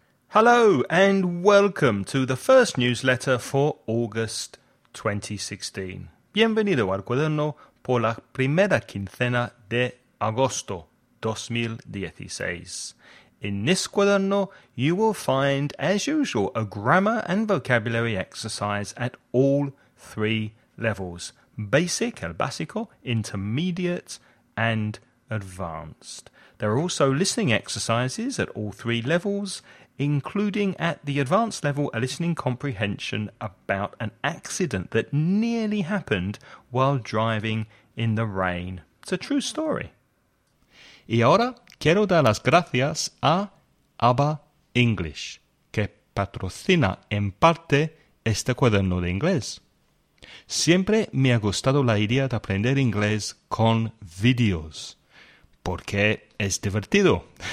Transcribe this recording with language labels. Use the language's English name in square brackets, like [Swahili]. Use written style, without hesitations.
[English] Hello and welcome to the first newsletter for August 2016. [Spanish] Bienvenido al cuaderno por la primera quincena de agosto 2016. [English] In this cuaderno, you will find, as usual, a grammar and vocabulary exercise at all three levels: basic, [Spanish] el básico, [English] intermediate, and advanced. There are also listening exercises at all three levels, including at the advanced level, a listening comprehension about an accident that nearly happened while driving in the rain. It's a true story. [Spanish] Y ahora quiero dar las gracias a ABBA English, que patrocina en parte este cuaderno de inglés. Siempre me ha gustado la idea de aprender inglés con videos, porque es divertido.